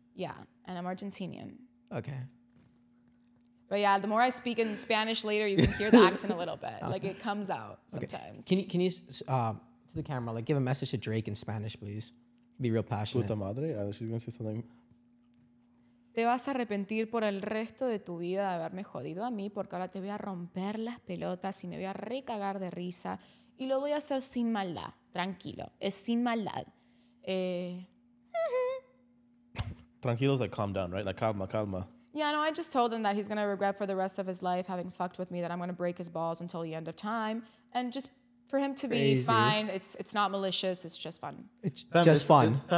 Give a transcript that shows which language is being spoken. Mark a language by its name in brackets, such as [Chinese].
[English] Yeah, and I'm Argentinian. Okay. But yeah, the more I speak in Spanish later, you can hear the accent a little bit. Okay. Like, it comes out sometimes. Okay. Can you to the camera, like, give a message to Drake in Spanish, please? Be real passionate. [Spanish] Puta madre? [English] She's going to say something. [Spanish] Te vas a arrepentir por el resto de tu vida de haberme jodido a mí, porque ahora te voy a romper las pelotas y me voy a recagar de risa. Y lo voy a hacer sin maldad. Tranquilo. Es sin maldad. [English] Tranquilo is like calm down, right? Like, [Spanish] calma, calma. [English] Yeah, no, I just told him that he's going to regret for the rest of his life having fucked with me, that I'm going to break his balls until the end of time. And just for him to crazy. Be fine, it's not malicious, it's just fun. It's fun.